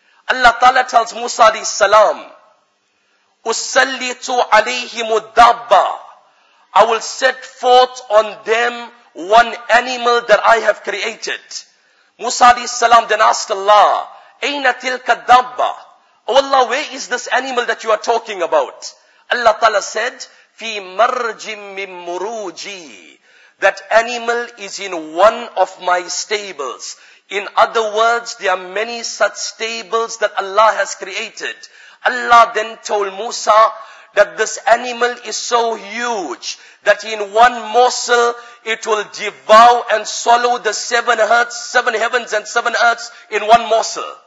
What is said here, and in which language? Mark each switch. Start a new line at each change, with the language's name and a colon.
English: Allah Ta'ala tells Musa alayhi salam,
Arabic: أُسَلِّتُ عَلَيْهِمُ الدَّبَّةِ.
English: I will set forth on them one animal that I have created. Musa alayhi salam then asked Allah,
Arabic: أَيْنَ تِلْكَ الدَّبَّةِ.
English: Oh Allah, where is this animal that you are talking about? Allah Ta'ala said,
Arabic: فِي مَرْجٍ مِّن مُرُوجِي.
English: That animal is in one of my stables. In other words, there are many such stables that Allah has created. Allah then told Musa that this animal is so huge that in one morsel it will devour and swallow the seven earths, seven heavens and seven earths in one morsel.